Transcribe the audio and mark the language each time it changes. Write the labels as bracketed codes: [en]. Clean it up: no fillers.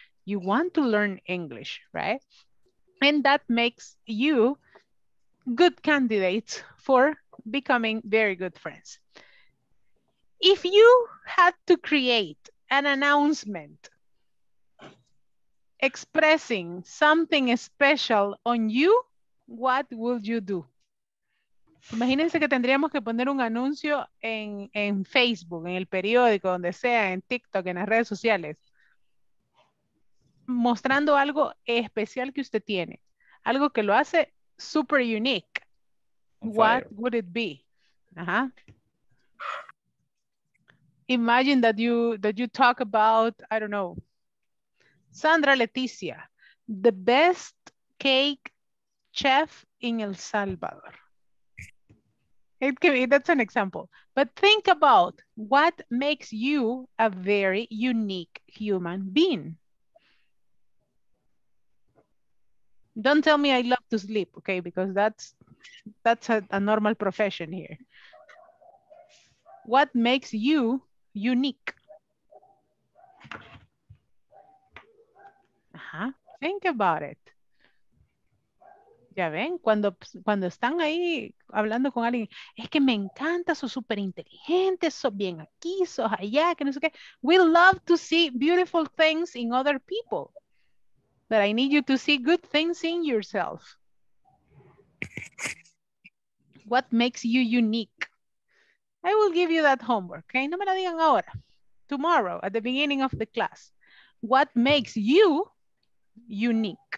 [en] You want to learn English, right? And that makes you good candidates for becoming very good friends. If you had to create an announcement expressing something special on you, what would you do? [es] Imagínense que tendríamos que poner un anuncio en Facebook, en el periódico, donde sea, en TikTok, en las redes sociales. Mostrando algo especial que usted tiene, algo que lo hace super unique. [en] What would it be? Imagine that you talk about, I don't know, Sandra Leticia, the best cake chef in El Salvador. It can be, that's an example. But think about what makes you a very unique human being. Don't tell me I love to sleep, okay? Because that's a normal profession here. What makes you unique? Think about it. [es] Ya ven, cuando están ahí hablando con alguien, es que me encanta, sos súper inteligente, sos bien aquí, sos allá, que no sé qué. [en] We love to see beautiful things in other people. But I need you to see good things in yourself. What makes you unique? I will give you that homework, okay? [es] No me la digan ahora. [en] Tomorrow, at the beginning of the class. What makes you unique?